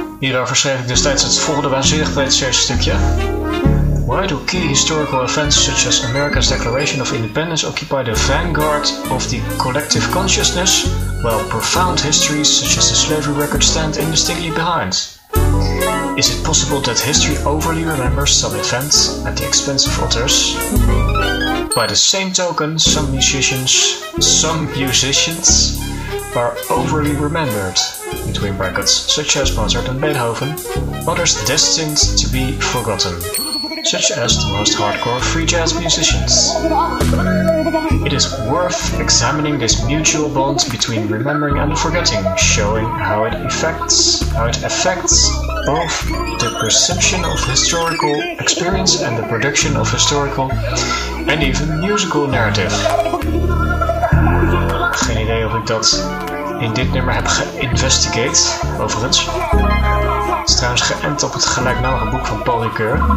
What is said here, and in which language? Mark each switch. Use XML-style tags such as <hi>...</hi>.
<nl>Daarover schreef ik destijds het volgende waanzinnig poëtische stukje.</nl> <en>Why do key historical events such as America's Declaration of Independence occupy the vanguard of the collective consciousness, while profound histories such as the slavery record stand indistinctly behind? Is it possible that history overly remembers some events at the expense of others? By the same token, some musicians, are overly remembered, between brackets, such as Mozart and Beethoven, others destined to be forgotten, such as the most hardcore free jazz musicians. It is worth examining this mutual bond between remembering and forgetting, showing how it affects both the perception of historical experience and the production of historical and even musical narrative.</en> <nl>Geen idee of ik dat in dit nummer heb geïnvestigeerd, overigens. Het is trouwens geënt op het gelijknamige boek van Paul Ricoeur.</nl>